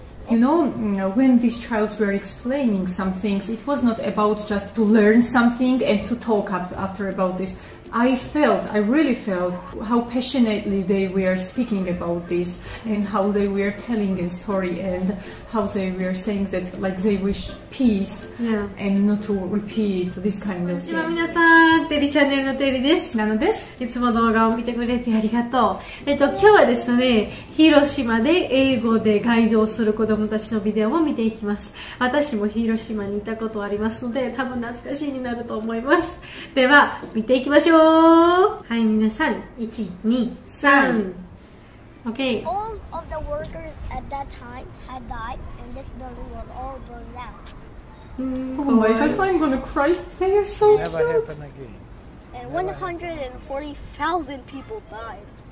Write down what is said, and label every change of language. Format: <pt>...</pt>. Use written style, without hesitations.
<en>You know, when these childs were explaining some things, it was not about just to learn something and to talk after about this. I really felt how passionately they were speaking about this and how they were telling a story and how they were saying that like they wish peace and not to repeat this kind of thing.</en> <ja>みなさん、テリチャンネルのテリです。ナノです。いつも動画を見てくれてありがとう。今日はですね、広島で英語でガイドをする子供たちのビデオを見ていきます。私も広島にいたことありますので、多分懐かしいになると思います。では、見ていきましょう。はい、皆さん、1、2、3。Okay.</ja> <en>All of the workers at that time had died and this building was all burned down. Oh my god, I'm gonna cry. They are so cute. Never happen again. And 140,000 people died.</en>